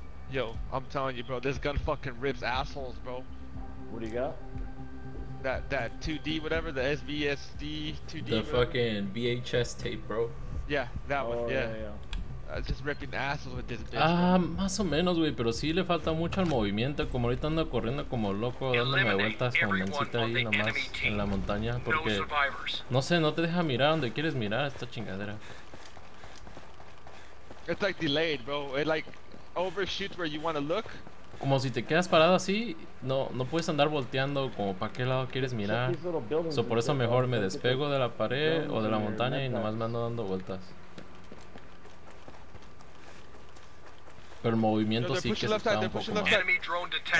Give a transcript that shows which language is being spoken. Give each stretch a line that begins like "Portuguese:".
English: Yo, I'm telling you, bro, this gun fucking rips assholes, bro. What do you got? That 2D, whatever, the SVSD 2D. The fucking VHS tape, bro. Yeah, that one, yeah. I was just ripping assholes with this bitch.
Spanish: Más o menos, güey, pero sí le falta mucho al movimiento. Como ahorita ando corriendo como loco, dándome vueltas con mancita ahí nomás en la montaña. Porque, no sé, no te deja mirar donde quieres mirar esta chingadera.
English: It's like delayed, bro. It like overshoot where you want to look.
Spanish: Como si te quedas parado así, no puedes andar volteando como para qué lado quieres mirar. So por eso mejor me despego de la pared o de la montaña y nomás me ando dando vueltas. Pero el movimiento sí que se está un poco más.